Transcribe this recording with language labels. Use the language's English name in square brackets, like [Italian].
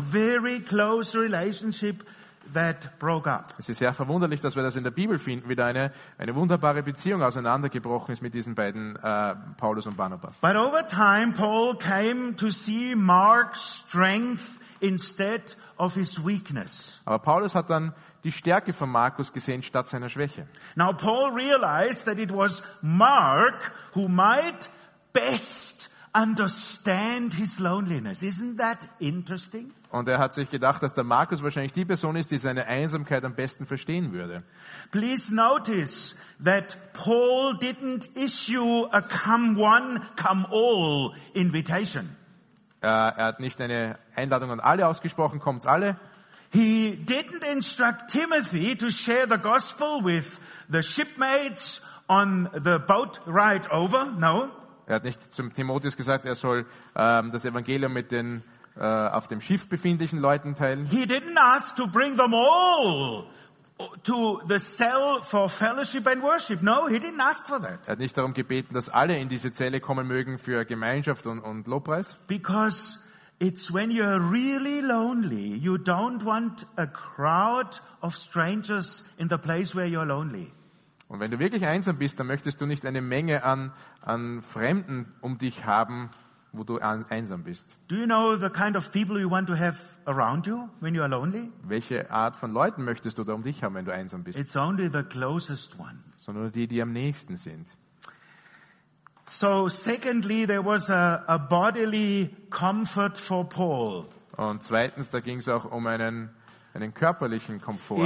[English] A very close relationship that broke up. [German] Es ist sehr verwunderlich, dass wir das in der Bibel finden, wie da eine wunderbare Beziehung auseinandergebrochen ist mit diesen beiden Paulus und Barnabas. [English] But over time, Paul came to see Mark's strength instead of his weakness. [German] Aber Paulus hat dann die Stärke von Markus gesehen statt seiner Schwäche. [English] Now Paul realized that it was Mark who might best understand his loneliness. Isn't that interesting? [German] Und er hat sich gedacht, dass der Markus wahrscheinlich die Person ist, die seine Einsamkeit am besten verstehen würde. [English] Please notice that Paul didn't issue a come one, come all invitation. [German] Er hat nicht eine Einladung an alle ausgesprochen, kommt alle. [English] He didn't instruct Timothy to share the gospel with the shipmates on the boat ride over, no. [German] Er hat nicht zum Timotheus gesagt, er soll das Evangelium mit den auf dem Schiff befindlichen Leuten teilen. [English] He didn't ask to bring them all to the cell for fellowship and worship. No, he didn't ask for that. [German] Er hat nicht darum gebeten, dass alle in diese Zelle kommen mögen für Gemeinschaft und Lobpreis. [English] Because it's when you're really lonely, you don't want a crowd of strangers in the place where you're lonely. [German] Und wenn du wirklich einsam bist, dann möchtest du nicht eine Menge an Fremden um dich haben, wo du einsam bist. [English] Do you know the kind of people you want to have around you when you are lonely? [German] Welche Art von Leuten möchtest du da um dich haben, wenn du einsam bist? [English] It's only the closest one. [German] Sondern die am nächsten sind. [English] So secondly, there was a bodily comfort for Paul. [German] Und zweitens, da ging es auch um einen körperlichen Komfort.